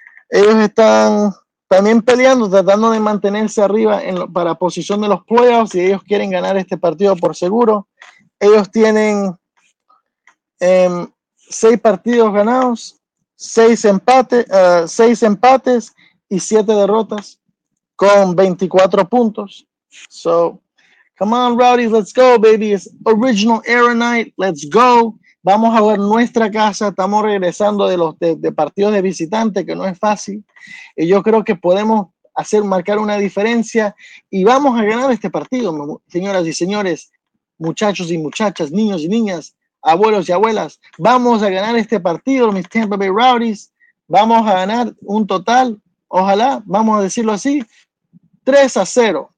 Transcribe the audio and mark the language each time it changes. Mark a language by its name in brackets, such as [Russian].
[Spanish] Ellos están también peleando, tratando de mantenerse arriba para posición de los playoffs, y ellos quieren ganar este partido por seguro. Ellos tienen 6 partidos ganados, 6 empates y 7 derrotas con 24 puntos. [English] So, come on, Rowdies, let's go, baby. It's original era night, let's go. [Spanish] Vamos a ver nuestra casa. Estamos regresando de partidos de visitante, que no es fácil. Y yo creo que podemos marcar una diferencia. Y vamos a ganar este partido, señoras y señores, muchachos y muchachas, niños y niñas, abuelos y abuelas. Vamos a ganar este partido, mis Tampa Bay Rowdies. Vamos a ganar un total, ojalá, vamos a decirlo así, 3-0.